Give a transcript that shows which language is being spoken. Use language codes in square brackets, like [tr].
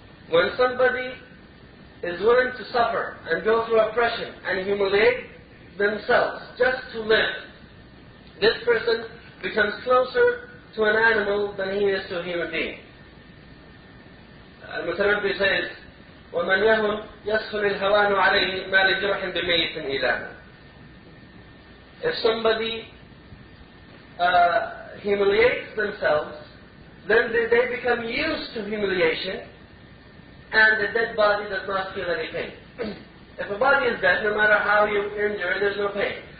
[en] When somebody is willing to suffer and go through oppression and humiliate themselves just to live, this person becomes closer to an animal than he is to a human being. [ar] Al-Mutanabbi says, وَمَنْ يَهُمْ يَسْهُلِ الْهَوَانُ عَلَيْهِ مَا لِجُرْحٍ بِمَيِّتٍ إِلَانَ. [en] If somebody humiliates themselves, then they become used to humiliation, and the dead body does not feel any pain. If a body is dead, no matter how you injure, there's no pain.